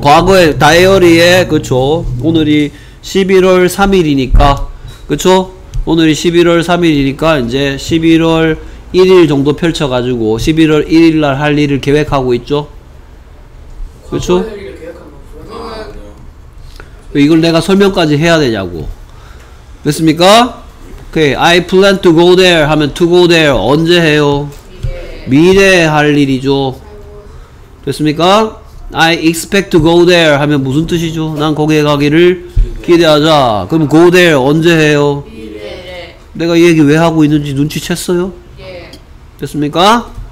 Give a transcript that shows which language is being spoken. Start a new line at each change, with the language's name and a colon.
Korean: 과거에 다이어리에 그쵸. 오늘이 11월 3일이니까. 그쵸? 오늘이 11월 3일이니까 이제 11월 1일 정도 펼쳐가지고 11월 1일 날 할 일을 계획하고 있죠. 그쵸? 이걸 내가 설명까지 해야 되냐고. 됐습니까?
English: Okay, I plan to go there
Korean: 하면
English: to go there
Korean: 언제 해요? 미래에 할 일이죠. 됐습니까?
English: I expect to go there
Korean: 하면 무슨 뜻이죠? 난 거기에 가기를 기대하자. 그럼
English: go there
Korean: 언제 해요? 미래. 내가 이 얘기 왜 하고 있는지 눈치챘어요? 됐습니까?